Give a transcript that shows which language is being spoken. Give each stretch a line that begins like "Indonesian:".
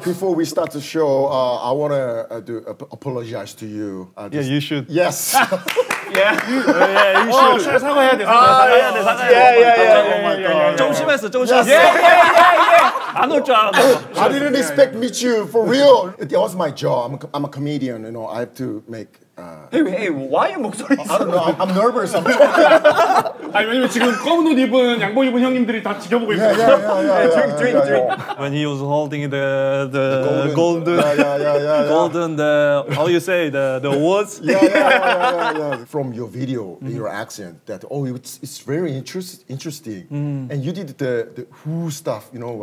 English: Before we start the show, I want to apologize to you. Yeah, you should. Yes. Yeah. Yeah, you should.
Korean: 사과해야 돼, 사과해야 돼.
English: Yeah.
Korean: 좀 심했어, 좀 심했어.
English: Yeah.
Korean: 안 올 줄 알았어.
English: I didn't expect to meet you, for real. It was my job. I'm a comedian, you know, I have to make Hey, why your 목소리? I don't know. I'm nervous. I'm
Korean: 아니 왜냐면 지금 검은 옷 입은 양복 입은 형님들이 다 지켜보고 있어요.
English: Drink. When he was holding the golden, how you say the awards? Yeah. From your video, your accent, that it's very interesting. Mm. And you did the who stuff, you know?